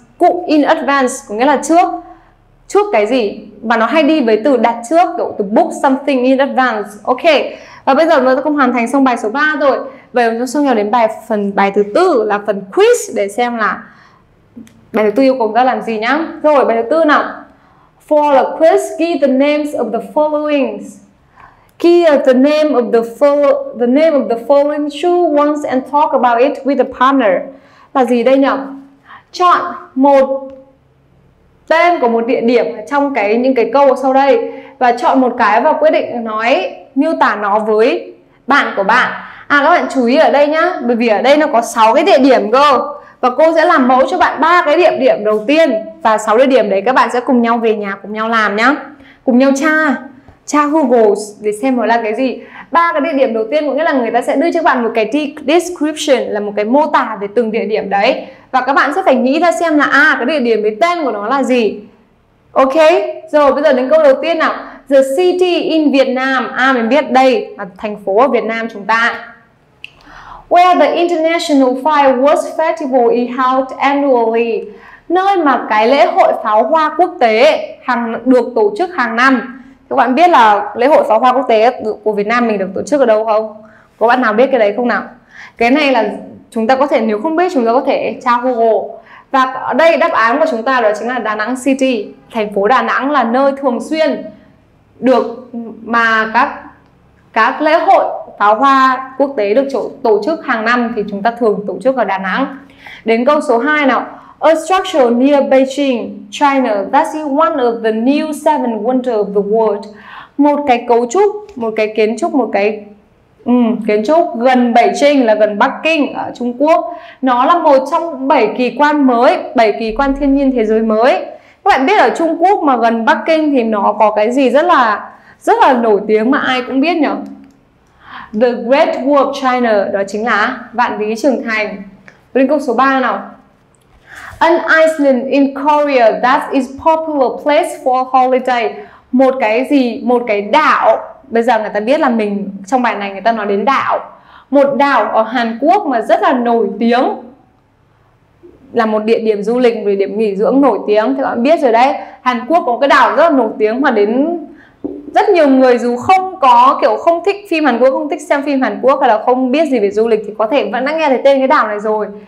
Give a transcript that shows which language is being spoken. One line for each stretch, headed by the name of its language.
Vietnamese: Cụ in advance có nghĩa là trước, trước cái gì, và nó hay đi với từ đặt trước, kiểu từ
English: book something in advance.
Vietnamese: Ok, và bây giờ mình cũng hoàn thành xong bài số 3 rồi. Vậy chúng ta sẽ nhau đến bài thứ tư, là phần quiz, để xem là bài thứ tư yêu cầu ra làm gì nhá. Rồi, bài thứ tư nào.
English: For the quiz, give the names of the followings. Here the name of the following shoe once and talk about it with a partner.
Vietnamese: Là gì đây nhỉ? Chọn một tên của một địa điểm trong cái những cái câu sau đây, và chọn một cái và quyết định nói, miêu tả nó với bạn của bạn. À, các bạn chú ý ở đây nhá, bởi vì ở đây nó có 6 cái địa điểm cơ, và cô sẽ làm mẫu cho bạn 3 cái địa điểm đầu tiên, và 6 địa điểm đấy các bạn sẽ cùng nhau về nhà, cùng nhau làm nhá, cùng nhau tra Google để xem nó là cái gì. Ba cái địa điểm đầu tiên có nghĩa là người ta sẽ đưa cho bạn một cái description, là một cái mô tả về từng địa điểm đấy, và các bạn sẽ phải nghĩ ra xem là cái địa điểm với tên của nó là gì. Ok, rồi bây giờ đến câu đầu tiên nào.
English: The city in Vietnam.
Vietnamese: Mình biết đây là thành phố ở Việt Nam chúng ta.
English: Where the International Fireworks Festival is held annually.
Vietnamese: Nơi mà cái lễ hội pháo hoa quốc tế được tổ chức hàng năm. Các bạn biết là lễ hội pháo hoa quốc tế của Việt Nam mình được tổ chức ở đâu không? Có bạn nào biết cái đấy không nào? Cái này là chúng ta có thể, nếu không biết chúng ta có thể tra Google. Và ở đây đáp án của chúng ta đó chính là Đà Nẵng City. Thành phố Đà Nẵng là nơi thường xuyên được mà các lễ hội pháo hoa quốc tế được tổ chức hàng năm, thì chúng ta thường tổ chức ở Đà Nẵng. Đến câu số 2 nào.
English: A structure near Beijing, China, that is one of the new seven wonders of the world.
Vietnamese: Một cái cấu trúc, một cái kiến trúc gần Bắc Kinh, là gần Bắc Kinh ở Trung Quốc. Nó là một trong 7 kỳ quan mới, 7 kỳ quan thiên nhiên thế giới mới. Các bạn biết ở Trung Quốc mà gần Bắc Kinh thì nó có cái gì rất là nổi tiếng mà ai cũng biết nhỉ? The Great Wall of China, đó chính là Vạn Lý Trường Thành. Lên câu số 3 nào.
English: An island in Korea that is popular place for holiday.
Vietnamese: Một cái gì? Một cái đảo. Bây giờ người ta biết là mình, trong bài này người ta nói đến đảo. Một đảo ở Hàn Quốc mà rất là nổi tiếng, là một địa điểm du lịch, một địa điểm nghỉ dưỡng nổi tiếng. Thì các bạn biết rồi đấy, Hàn Quốc có cái đảo rất là nổi tiếng mà đến rất nhiều người dù không có kiểu không thích phim Hàn Quốc, không thích xem phim Hàn Quốc, hay là không biết gì về du lịch, thì có thể vẫn đã nghe thấy tên cái đảo này rồi.